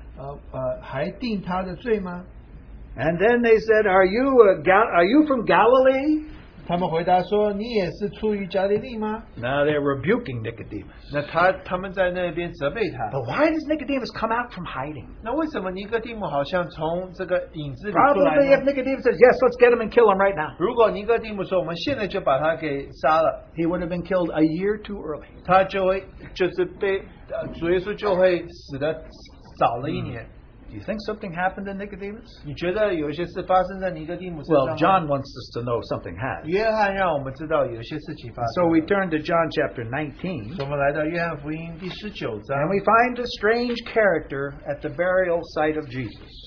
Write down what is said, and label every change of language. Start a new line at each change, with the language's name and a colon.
Chinese: 内中有尼哥底母，就是从前去见耶稣的，对他们说，不先听本人的口供，不知道他所做的事，难道我们的律法，还定他的罪吗？
English: And then they said, are you from Galilee?
Chinese: 他们回答说,你也是出于加利利吗?
English: Now they're rebuking Nicodemus.
Chinese: 那他们在那边责备他。
English: But why does Nicodemus come out from hiding?
Chinese: 那为什么尼哥底母好像从这个影子里出来呢?
English: Probably if Nicodemus says, yes, let's get him and kill him right now.
Chinese: 如果尼哥底母说,我们现在就把他给杀了,
English: he would have been killed a year too early.
Chinese: 他就会,就是被,主耶稣就会死得早了一年。
English: Do you think something happened in Nicodemus?
Chinese: 你觉得有些事发生在尼哥底母身上吗?
English: Well, John wants us to know something has.
Chinese: 约翰让我们知道有些事情发生。
English: So we turn to John chapter 19.
Chinese: 我们来到约翰福音第十九章。
English: And we find a strange character at the burial site of Jesus.